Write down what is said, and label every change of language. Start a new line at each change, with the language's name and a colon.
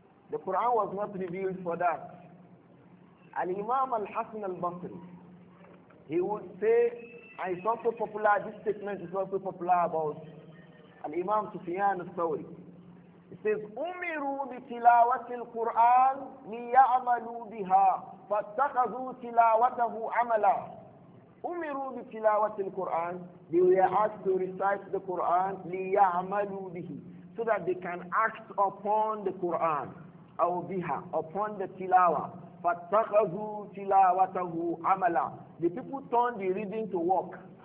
English: The Quran was not revealed for that. Al-Imam Al-Hasan Al-Basri, he would say, and it's also popular, this statement is also popular about Al-Imam Sufyan Al-Thawri. It says,
Arabic: أُمِرُوا بِتِلَاوَةِ الْقُرْآنِ لِيَعْمَلُوا بِهَا فَاتَّخَذُوا تِلَاوَتَهُ عَمَلًا. أُمِرُوا بِتِلَاوَةِ الْقُرْآنِ,
English: they were asked to recite the Quran,
Arabic: لِيَعْمَلُوا بِهِ,
English: so that they can act upon the Quran,
Arabic: أو بِهَا,
English: upon the tilawa.
Arabic: فَاتَّخَذُوا تِلَاوَتَهُ عَمَلًا,
English: the people turn the reading to work.